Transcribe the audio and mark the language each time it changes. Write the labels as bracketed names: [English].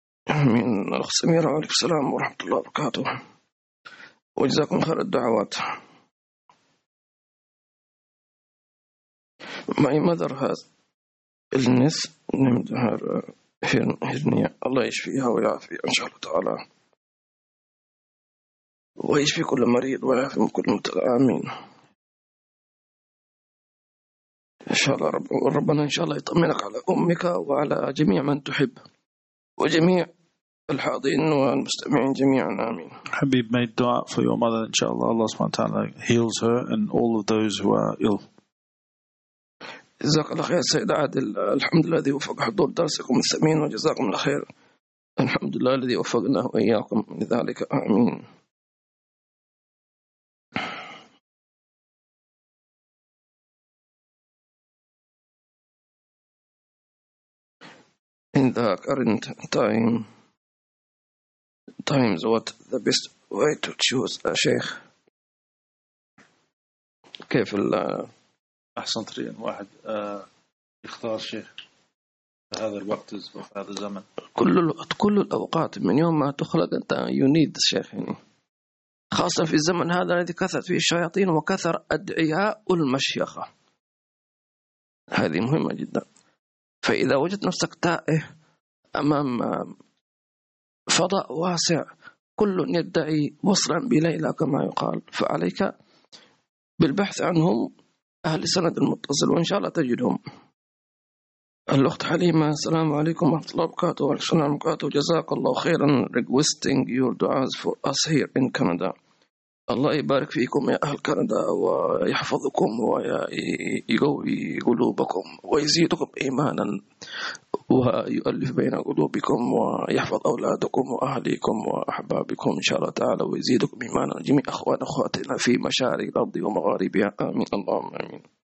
[Arabic] من الأخ سمير عليه السلام ورحمة الله وبركاته، وجزاكم خير الدعوات. [English] My mother has illness named her hernia. [Arabic] الله يشفيها ويعافي إن شاء الله تعالى، ويشفي كل مريض ويعافي كل متلقى. آمين إن شاء الله. ربنا إن شاء الله يطمنك على أمك وعلى جميع من تحب وجميع الحاضرين والمستمعين جميعا. آمين. [English] حبيب made dua for your mother. [Arabic] إن شاء الله الله سبحانه وتعالى [English] heals her and all of those who are ill. [Arabic] جزاك الله خير سيد عادل. الحمد لله الذي وفق حضور درسكم السمين، وجزاكم الله خير. الحمد لله الذي وفقنا وإياكم لذلك. آمين. [English] In the current times, what the best way to choose a sheikh? [Arabic] كيف ال أحسن طريقة واحد يختار شيخ في هذا الوقت وفي هذا الزمن؟ كل الأوقات من يوم ما تخلق أنت يونيد الشيخ، يعني خاصة في الزمن هذا الذي كثرت فيه الشياطين وكثر أدعياء المشيخة، هذه مهمة جدا. فإذا وجدت نفسك تائه أمام فضاء واسع كل يدعي وصلا بليلى كما يقال، فعليك بالبحث عنهم أهل السند المتصل، وإن شاء الله تجدهم. الأخت حليمة، السلام عليكم ورحمة الله وبركاته. وعليكم السلام وبركاته. جزاك الله خيرا [English] requesting your duas for us here in Canada. [Arabic] الله يبارك فيكم يا أهل كندا، ويحفظكم ويقوي قلوبكم ويزيدكم إيمانا، ويؤلف بين قلوبكم ويحفظ أولادكم وأهليكم وأحبابكم إن شاء الله تعالى، ويزيدكم إيمانا جميع أخوان أخواتنا في مشارق الأرض ومغاربها. آمين. اللهم آمين.